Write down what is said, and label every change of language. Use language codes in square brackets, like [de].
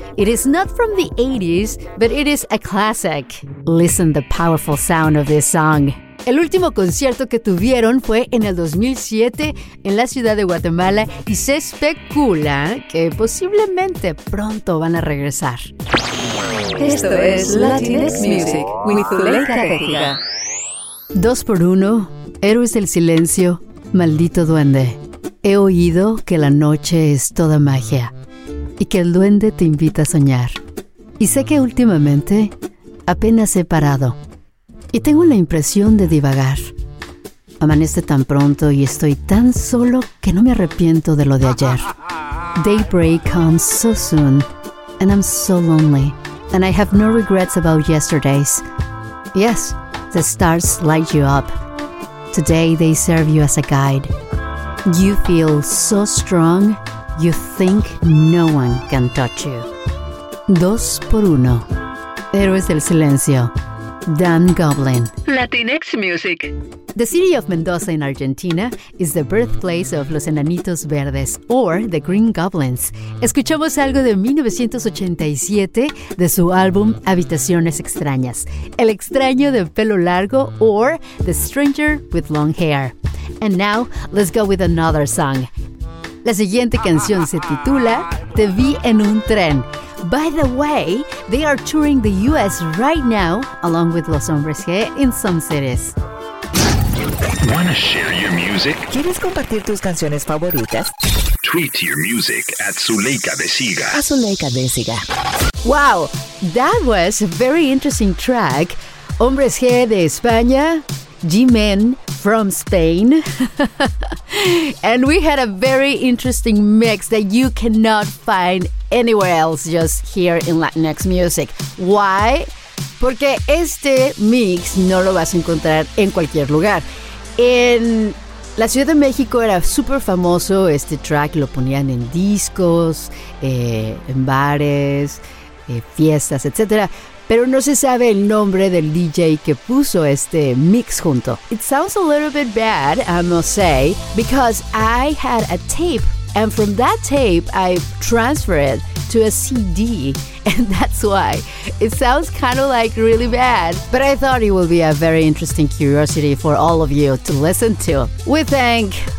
[en] It is not from the 80s, but it is a classic. Listen the powerful sound of this song. [es] El último concierto que tuvieron fue en el 2007 en la ciudad de Guatemala y se especula que posiblemente pronto van a regresar. Esto es Latinx Music with Zuleika de Siga. Dos por uno, Héroes del Silencio, Maldito Duende. He oído que la noche es toda magia y que el duende te invita a soñar. Y sé que últimamente apenas he parado y tengo la impresión de divagar. Amanece tan pronto y estoy tan solo que no me arrepiento de lo de ayer. [en] Daybreak comes so soon and I'm so lonely and I have no regrets about yesterday's. Yes, the stars light you up. Today they serve you as a guide. You feel so strong, you think no one can touch you. [es] Dos por uno. Héroes del Silencio. Dan Goblin. Latinx Music. [en] The city of Mendoza in Argentina is the birthplace of Los Enanitos Verdes, or the Green Goblins. [es] Escuchamos algo de 1987 de su álbum Habitaciones Extrañas. [en] El extraño de pelo largo, or The Stranger with Long Hair. And now, let's go with another song. [es] La siguiente canción se titula Te Vi en un Tren. [en] By the way, they are touring the U.S. right now, along with Los Hombres G in some cities. Wanna share your music? [es] ¿Quieres compartir tus canciones favoritas? [en] Tweet your music at Zuleika de Siga. [es] A Zuleika de Siga. [en] Wow, that was a very interesting track. Hombres G de España, G-Men from Spain. And we had a very interesting mix that you cannot find anywhere else, just here in Latinx Music. Why? [es] Porque este mix no lo vas a encontrar en cualquier lugar. En la Ciudad de México era súper famoso este track, lo ponían en discos, en bares, fiestas, etc. Pero no se sabe el nombre del DJ que puso este mix junto. [en] It sounds a little bit bad, I must say, because I had a tape, and from that tape I transferred it to a CD, and that's why it sounds kind of like really bad. But I thought it would be a very interesting curiosity for all of you to listen to. We thank